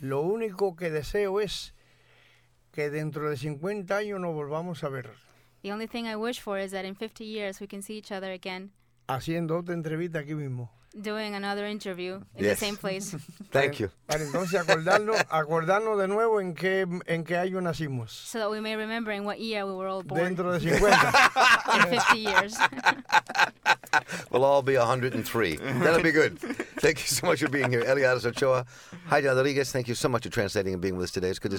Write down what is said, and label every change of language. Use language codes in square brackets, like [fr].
[es] Lo único que deseo es que dentro de 50 años nos volvamos a ver. [en] The only thing I wish for is that in 50 years we can see each other again. [es] Haciendo otra entrevista aquí mismo. [en] Doing another interview in yes. the same place. Thank you. [es] Para entonces acordarnos de nuevo en qué año nacimos. [en] So that we may remember in what year we were all born. [es] Dentro de 50. [en] In 50 years. We'll all be 103. That'll be good. Thank you so much for being here. Eliades Ochoa. Heidi Rodriguez, thank you so much for translating and being with us today. It's good to